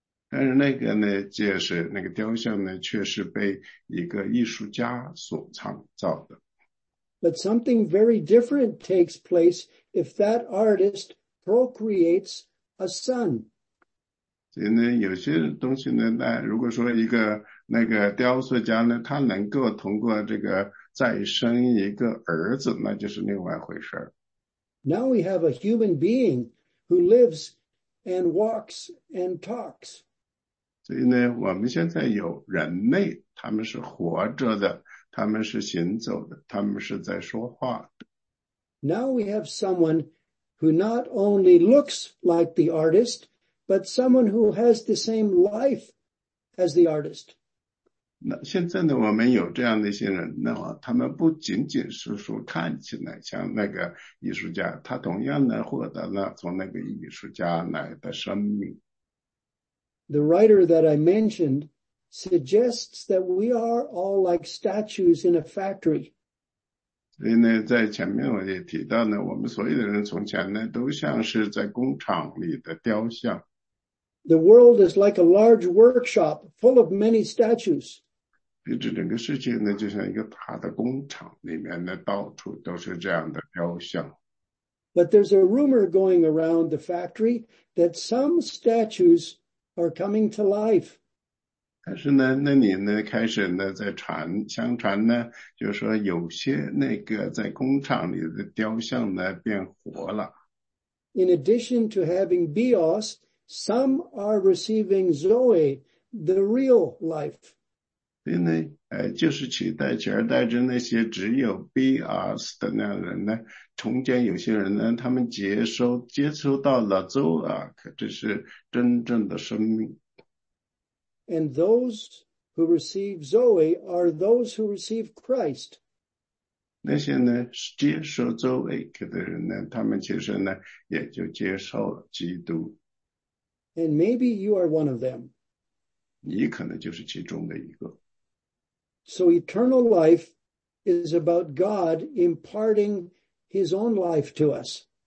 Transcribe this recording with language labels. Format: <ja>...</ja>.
<zh>但是那个呢，就是那个雕像呢，却是被一个艺术家所创造的。</zh> <en>But something very different takes place if that artist procreates a son.</en> <zh>所以呢，有些东西呢，那如果说一个那个雕塑家呢，他能够通过这个再生一个儿子，那就是另外一回事。</zh> <en>Now we have a human being who lives and walks and talks.</en> <zh>所以呢，我们现在有人类，他们是活着的，他们是行走的，他们是在说话的。</zh> <en>Now we have someone who not only looks like the artist, but someone who has the same life as the artist.</en> <zh>那现在呢，我们有这样的一些人，那么他们不仅仅是说看起来像那个艺术家，他同样呢获得了从那个艺术家来的生命。</zh> <en>The writer that I mentioned suggests that we are all like statues in a factory.</en> <zh>所以呢，在前面我也提到呢，我们所有的人从前呢都像是在工厂里的雕像。</zh> <en>The world is like a large workshop full of many statues.</en> <zh>比如整个世界呢就像一个大的工厂，里面呢到处都是这样的雕像。</zh> <en>But there's a rumor going around the factory that some statues are coming to life.</en> <zh>但是呢，那你呢开始呢在传，相传呢就是说有些那个在工厂里的雕像呢变活了。</zh> <en>In addition to having bios, some are receiving zoe, the real life.</en> <zh>所以呢，就是取代取而代之那些只有 bios 的那样的人呢，从前有些人呢，他们接收到了 zoach, 这是真正的生命。</zh> <en>And those who receive Zoe are those who receive Christ.</en> <zh>那些呢接受 Zoe 的人呢，他们其实呢也就接受基督。</zh> <en>And maybe you are one of them.</en> <zh>你可能就是其中的一个。</zh> <en>So eternal life is about God imparting His own life to us.</en>